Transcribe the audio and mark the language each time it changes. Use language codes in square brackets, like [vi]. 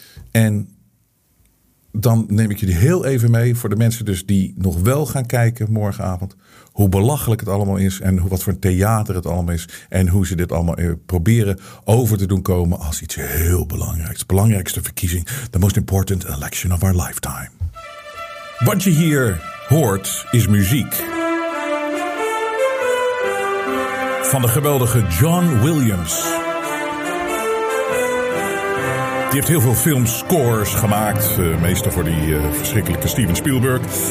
[nl] En dan neem ik jullie heel even mee voor de mensen dus die nog wel gaan kijken morgenavond. Hoe belachelijk het allemaal is en wat voor een theater het allemaal is. En hoe ze dit allemaal proberen over te doen komen als iets heel belangrijks. De belangrijkste verkiezing. [en] The most important election of our lifetime. [nl] Wat je hier hoort is muziek. Van de geweldige John Williams. Die heeft heel veel filmscores gemaakt. Meestal voor die verschrikkelijke Steven Spielberg.